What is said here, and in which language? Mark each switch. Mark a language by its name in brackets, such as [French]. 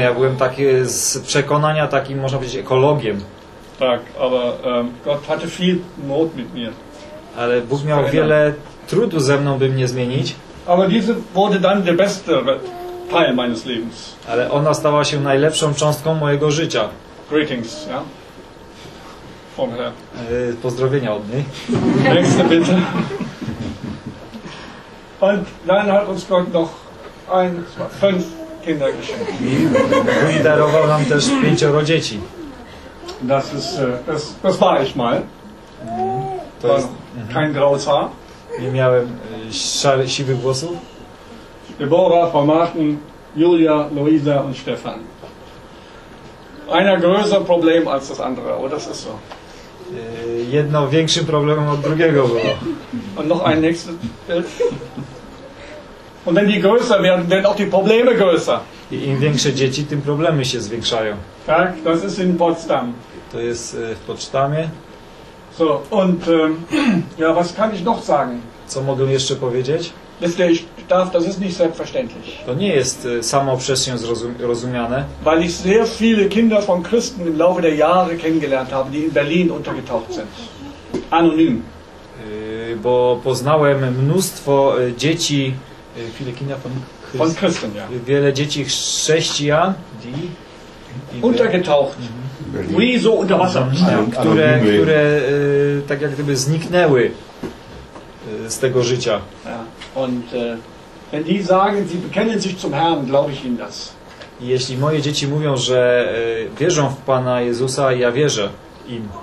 [Polish] Ja byłem taki z przekonania takim, można powiedzieć, ekologiem. Tak, ale [German] Gott hatte viel Not mit mir. [Polish] Ale Bóg miał wiele trudu ze mną, by mnie zmienić. [German] Aber diese wurde dann der beste Teil meines Lebens. [Polish] Ale ona stała się najlepszą cząstką mojego życia. [German] Greetings, ja? Von her. [Polish] Pozdrowienia od niej. [German] Nächste bitte. Und dann hat uns Gott noch 5 Kinder geschenkt. [Polish] I darował nam też 5 dzieci. [German] Das war ich mal. [Polish] To jest, [German] kein graues Haar. [Polish] Nie miałem siwych włosów. [German] Deborah, Frau Martin, Julia, Luisa und Stefan. Einer größer Problem als das andere, aber das ist so. [Polish] Jedno większym problemem od drugiego było. [German] Und noch ein nächstes. Und wenn die größer werden, werden auch die Probleme größer. [Polish] I im większe dzieci, tym problemy się zwiększają. [German] Tak, das ist in Potsdam. [Polish] To jest w Potsdamie. [German] So, und ja, was kann ich noch sagen? [Polish] Co mogę jeszcze powiedzieć? [German] Das ist nicht selbstverständlich. [Polish] To nie jest samo przez się rozumiane. [German] Weil ich sehr viele Kinder von Christen im Laufe der Jahre kennengelernt habe, die in Berlin untergetaucht sind. Anonym. [Polish] Bo poznałem mnóstwo dzieci, [German] viele Kinder von Christen, ja. [Polish] Wiele dzieci chrześcijan, die [German] untergetaucht. Wie so unter Wasser. [Polish] Które tak jak gdyby zniknęły z tego życia. [German] Ja. Und wenn die sagen, sie bekennen sich zum Herrn, glaube ich ihnen das. [Polish] Jeśli moje dzieci mówią, że wierzą w Pana Jezusa, ja wierzę im.